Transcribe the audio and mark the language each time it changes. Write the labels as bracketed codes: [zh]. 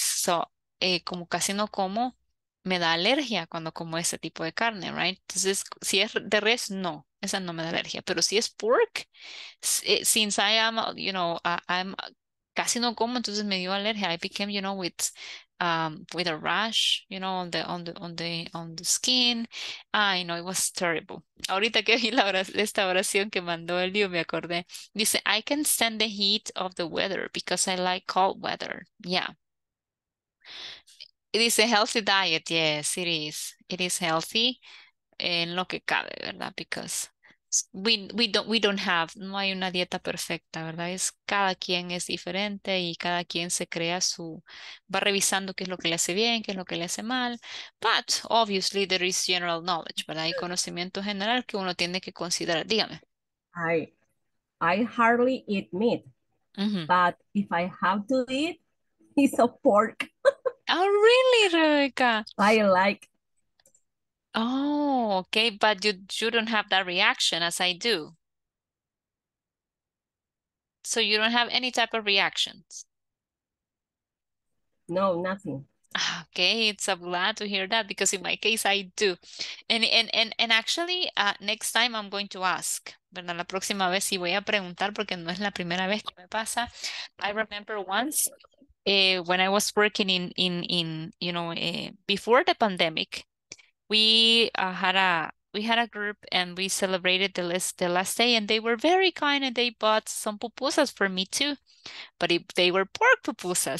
[es] So como casi no como, me da alergia cuando como ese tipo de carne, right? Entonces, si es de res, no, esa no me da alergia. Pero si es [en] pork, since I am, you know, I'm [es] casi no como, entonces me dio alergia. [en] I became, you know, with a rash, you know, on the skin. Ay, no, it was terrible. [es] Ahorita que vi esta oración que mandó el Dios, me acordé. [en] Dice, I can stand the heat of the weather because I like cold weather. Yeah. It is a healthy diet. Yes, it is. It is healthy [es] en lo que cabe, ¿verdad? [en] Because we don't have, [es] no hay una dieta perfecta, ¿verdad? Es cada quien es diferente y cada quien se crea su, va revisando qué es lo que le hace bien, qué es lo que le hace mal. [en] But obviously there is general knowledge, ¿verdad? [es] Hay conocimiento general que uno tiene que considerar. Dígame. [en] I hardly eat meat, mm-hmm. But if I have to eat, it's a pork. Oh, really, Rebecca? I like. Oh, okay, but you don't have that reaction as I do. So you don't have any type of reactions? No, nothing. Okay, it's a glad to hear that because in my case I do. And actually, next time I'm going to ask. [es] ¿Verdad? La próxima vez sí voy a preguntar porque no es la primera vez que me pasa. [en] I remember once when I was working in you know, before the pandemic, we had a group and we celebrated the last day, and they were very kind and they bought some pupusas for me too, but they were pork pupusas.